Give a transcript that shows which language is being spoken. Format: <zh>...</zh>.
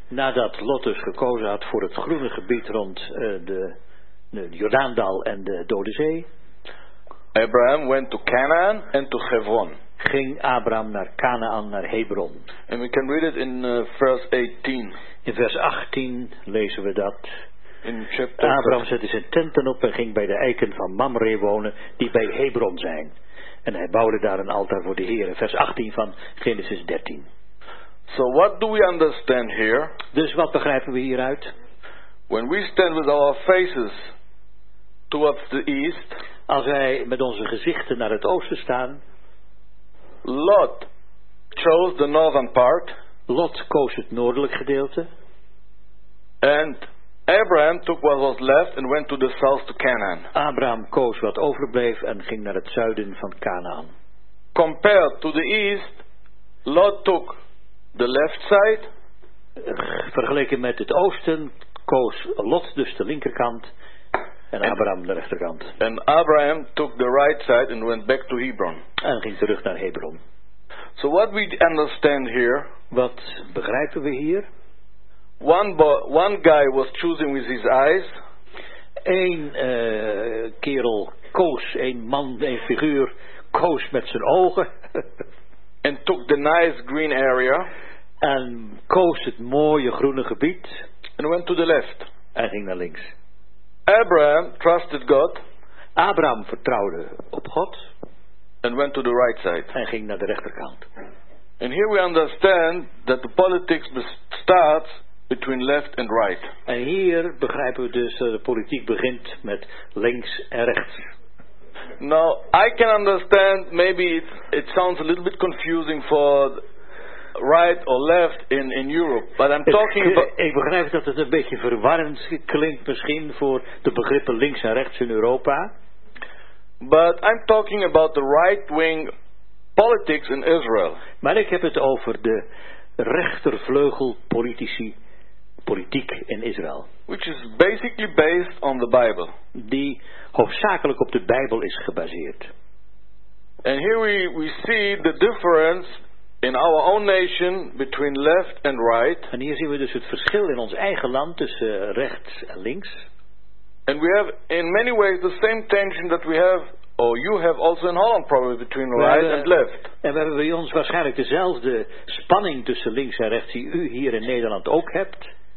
<nl>Nadat Lot dus gekozen had voor het groene gebied rond de Jordaandal en de Dode Zee.</nl> <en>Abraham went to Canaan and to Hebron.</en> <nl>Ging Abraham naar Canaan, naar Hebron.</nl> <en>And we can read it in verse 18.</en> <nl>In vers 18 lezen we dat.</nl> <en>In chapter</en> <nl>Abraham zette zijn tenten op en ging bij de eiken van Mamre wonen, die bij Hebron zijn. En hij bouwde daar een altaar voor de Heer. Vers 18 van Genesis 13.</nl> <en>So what do we understand here?</en> <nl>Dus wat begrijpen we hieruit?</nl> <en>When we stand with our faces towards the east.</en> <nl>Als wij met onze gezichten naar het oosten staan.</nl> <en>Lot chose the northern part.</en> <nl>Lot koos het noordelijk gedeelte.</nl> <en>And Abraham took what was left and went to the south to Canaan.</en> <nl>Abraham koos wat overbleef en ging naar het zuiden van Canaan.</nl> <en>Compared to the east, Lot took the left side.</en> <nl>Vergeleken met het oosten koos Lot dus de linkerkant. En Abraham de rechterkant.</nl> <en>And Abraham took the right side and went back to Hebron.</en> <nl>En ging terug naar Hebron.</nl> <en>So what we understand here?</en> <nl>Wat begrijpen we hier?</nl> <en>One guy was choosing with his eyes.</en> <nl>Eén kerel koos, één man, één figuur koos met zijn ogen.</nl> <en>And took the nice green area.</en> <nl>En koos het mooie groene gebied.</nl> <en>And went to the left.</en> <nl>En ging naar links.</nl> <en>Abraham trusted God.</en> <nl>Abraham vertrouwde op God.</nl> <en>And went to the right side.</en> <nl>En ging naar de rechterkant.</nl> <en>And here we understand that the politics starts between left and right.</en> <nl>En hier begrijpen we dus dat de politiek begint met links en rechts.</nl> <en>Now I can understand maybe it sounds a little bit confusing for right or left in Europe, but I'm talking about.</en> <nl>Ik begrijp dat het een beetje verwarrend klinkt misschien voor de begrippen links en rechts in Europa.</nl> <en>But I'm talking about the right-wing politics in Israel.</en> <nl>Maar ik heb het over de rechtervleugel politici politiek in Israël.</nl> <en>Which is basically based on the Bible.</en> <nl>Die hoofdzakelijk op de Bijbel is gebaseerd.</nl> <en>And here we see the difference in our own nation between left and right.</en> <nl>En hier zien we dus het verschil in ons eigen land tussen rechts en links.</nl> <en>And we have in many ways the same tension that we have, or you have also in Holland probably, between right and left.</en> <nl>En we hebben bij ons waarschijnlijk dezelfde spanning tussen links en rechts die u hier in Nederland ook hebt.</nl>